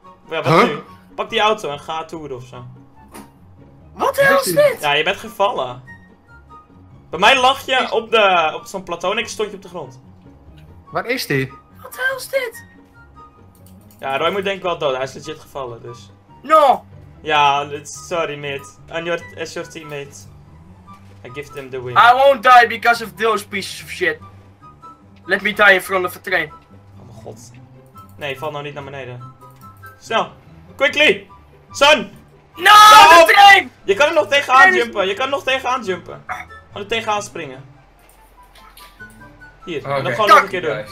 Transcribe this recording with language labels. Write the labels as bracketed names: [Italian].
[Dutch] Ja, wat nu? Pak die auto en ga toeren ofzo. Wat de hel is dit? Ja, je bent gevallen. Bij mij lag je op zo'n plateau en ik stond je op de grond. Waar is die? Wat de hel is dit? Ja, Roy moet denk ik wel dood. Hij is legit gevallen, dus. [English] No! Ja, sorry mate. As your teammate. I give them the win. I won't die because of those pieces of shit. Let me die in front of a train. [Dutch] Oh mijn god. Nee, val nou niet naar beneden. [English] Snel! Quickly! Son! [Dutch] No! De trein! Je kan er nog tegenaan jumpen! Je kan er nog tegenaan jumpen! Gewoon er tegenaan springen. Hier, oh, okay. Dan gewoon nog een keer doen.